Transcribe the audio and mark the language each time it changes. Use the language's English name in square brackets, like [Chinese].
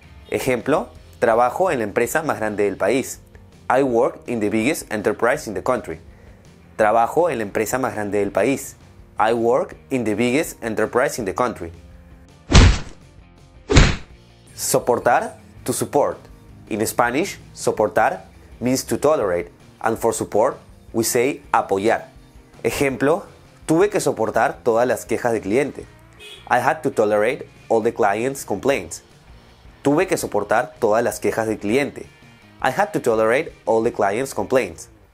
[Spanish] Ejemplo, trabajo en la empresa más grande del país. [English] I work in the biggest enterprise in the country. [Spanish] Trabajo en la empresa más grande del país. [English] I work in the biggest enterprise in the country. Soportar, to support. In Spanish, soportar means to tolerate, and for support, we say apoyar. [Spanish] Ejemplo, tuve que soportar todas las quejas del cliente. [English] I had to tolerate all the client's complaints. [Spanish] Tuve que soportar todas las quejas del cliente. [English] I had to tolerate all the client's complaints.